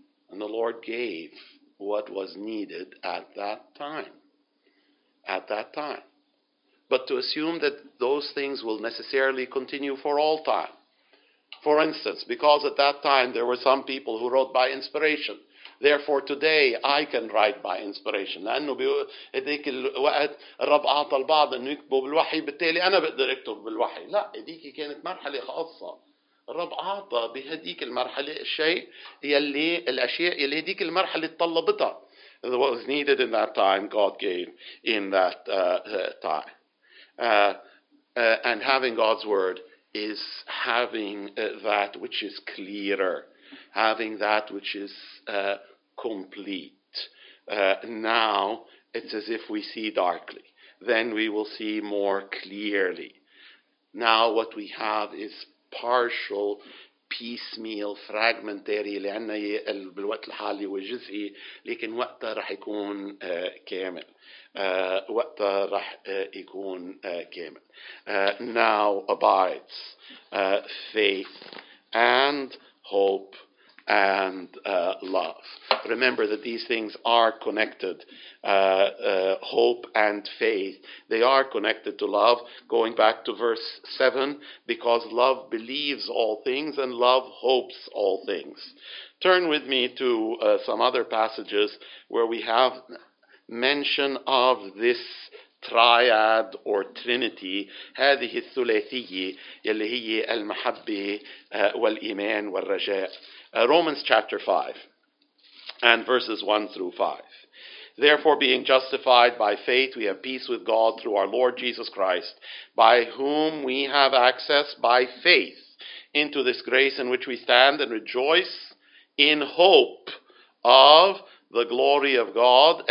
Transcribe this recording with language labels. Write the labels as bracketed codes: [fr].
[en] And the Lord gave what was needed at that time. At that time. But to assume that those things will necessarily continue for all time, For instance, because at that time there were some people who wrote by inspiration. Therefore, today I can write by inspiration. [ar] لأنه بهذيك الوقت الرب أعطى البعض إنه يكتبوا بالوحي، بالتالي أنا بقدر أكتب بالوحي. لا، هذيك كانت مرحلة خاصة. الرب أعطى بهذيك المرحلة الشيء يلي الأشياء يلي هذيك المرحلة تطلبتها. [en] What was needed in that time, God gave in that time. And having God's word is having that which is clearer, having that which is complete. Now it's as if we see darkly. Then we will see more clearly. Now what we have is partial, piecemeal, fragmentary, [ar] اللي عنا بالوقت الحالي وجزئي، لكن وقتها رح يكون كامل. وقتها رح يكون كامل. [en] Now abides faith and hope and love. Remember that these things are connected. Hope and faith, they are connected to love. Going back to verse 7, because love believes all things and love hopes all things. Turn with me to some other passages where we have mention of this triad or trinity. [ar] هذه الثلاثية اللي هي المحبة والإيمان والرجاء. [en] Romans chapter 5 and verses 1 through 5. Therefore, being justified by faith, we have peace with God through our Lord Jesus Christ, by whom we have access by faith into this grace in which we stand and rejoice in hope of the glory of God.